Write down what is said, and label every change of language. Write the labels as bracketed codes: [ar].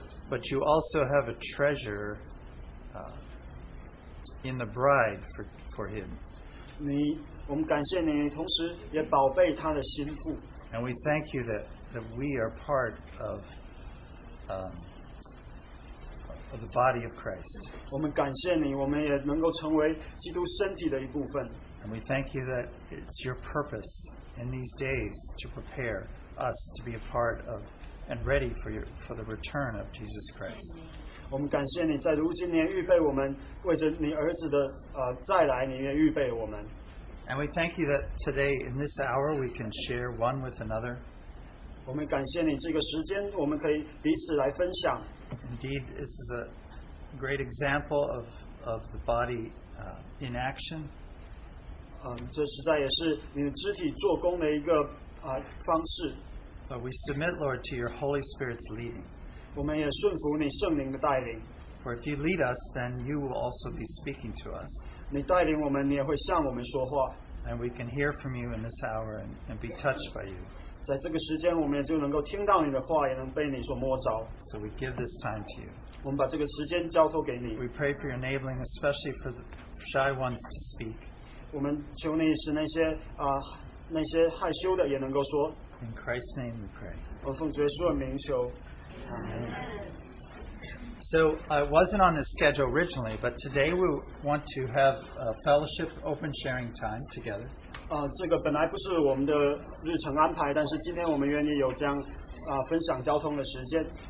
[en] but you also have a treasure in the bride for him. [zh] 你, 我们感谢你, [en] and we thank you that we are part of the body of Christ. [zh] 我们感谢你, 我们也能够成为基督身体的一部分。 [en] And we thank you that it's your purpose in these days to prepare us to be a part of and ready for the return of Jesus Christ. [zh] 我们感谢你, 在如今年预备我们, 为着你儿子的, 再来, 你也预备我们。 [en] And we thank you that today in this hour we can share one with another. [zh] 我们感谢你, 这个时间, 我们可以彼此来分享。 [en] Indeed, this is a great example of the body in action. [zh] 这实在也是你肢体做工的一个 方式。 [en] But we submit, Lord, to your Holy Spirit's leading. [zh] 我们也顺服你圣灵的带领。 [en] For if you lead us, then you will also be speaking to us. [zh] 你带领我们, 你也会向我们说话。 [en] And we can hear from you in this hour and be touched by you. [zh] 在这个时间我们也就能够听到你的话, [en] so we give this time to you. [zh] 我们把这个时间交托给你。 [en] We pray for your enabling, especially for the shy ones to speak. [zh] 我们求你使那些, 那些害羞的也能够说。 [en] In Christ's name we pray. [zh] 我奉主耶稣的名求。 [en] Amen. So it wasn't on the schedule originally, but today we want to have a fellowship open sharing time together. [zh] 这个本来不是我们的日程安排，但是今天我们愿意有这样 分享交通的时间。